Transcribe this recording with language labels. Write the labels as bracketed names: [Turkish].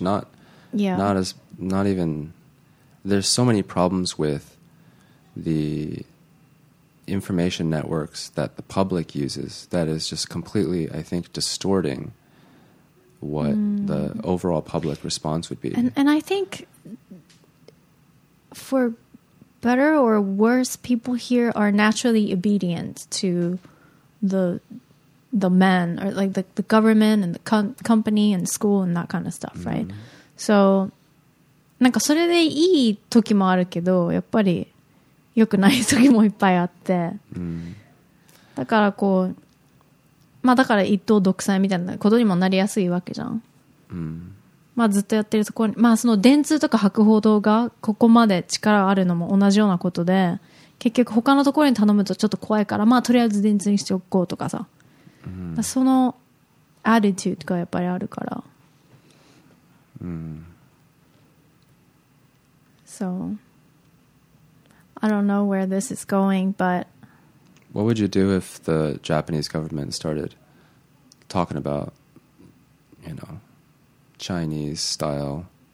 [English] Not even. There's so many problems with the information networks that the public uses that is just completely, I think, distorting what the overall public response would be. And I think for better or worse, people here are naturally obedient to the men or like the government and the company and school and that kind of stuff, right? [Japanese] So, なんかそれでいい時もあるけど、やっぱり良くない時もいっぱいあって。だからこう、まあだから一党独裁みたいなことにもなりやすいわけじゃん。まあずっとやってるところに、まあその電通とか博報堂がここまで力あるのも同じようなことで、結局他のところに頼むとちょっと怖いから、まあとりあえず電通にしておこうとかさ。そのアティチュードがやっぱりあるから。 [English] So, I don't know where this is going, but what would you do if the Japanese government started talking about, you know, Chinese style?